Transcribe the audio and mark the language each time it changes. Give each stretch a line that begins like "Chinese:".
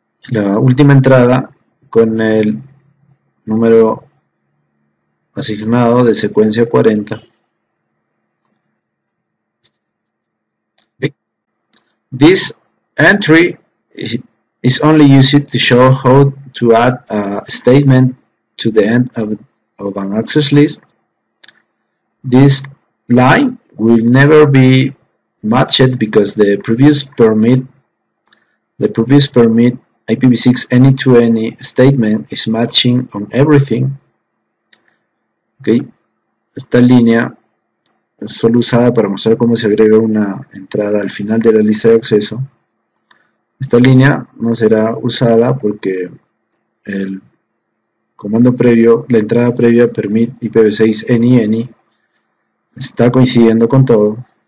Spanish: La última entrada con el número asignado de secuencia 40.
English: This entry is only used to show how to add a statement to the end of an access list. This line will never be matched because the previous permit IPv6 any-to-any statement is matching on everything. Okay.
Spanish: Esta línea es solo usada para mostrar cómo se agrega una entrada al final de la lista de acceso. Esta línea no será usada porque el comando previo, la entrada previa permit IPv6 any-any está coincidiendo con todo.